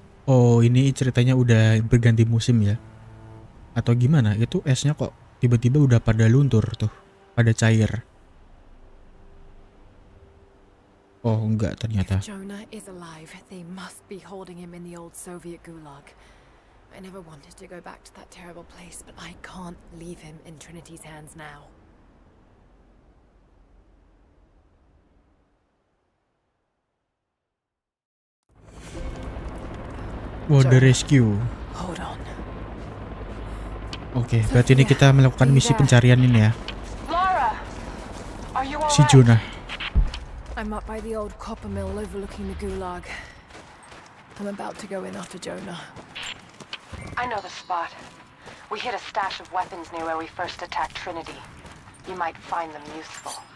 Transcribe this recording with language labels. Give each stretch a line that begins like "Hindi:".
Indonesian: Oh, ini ceritanya udah berganti musim ya? Atau gimana? Itu esnya kok tiba-tiba udah pada luntur tuh, pada cair. Oh, enggak ternyata.
English: If Jonah is alive, they must be holding him in the old Soviet gulag. I never wanted to go back to that terrible place, but I can't leave him in Trinity's hands now. Oh, the rescue. Hold on.
Indonesian: Oke, berarti ini kita melakukan misi pencarian ini ya.
English: Lara, are you
Indonesian: si Jonah.
English: I'm up by the old copper mill overlooking the gulag. I'm about to go in after Jonah. I know the spot. We hid a stash of weapons near where we first attacked Trinity. You might find them useful.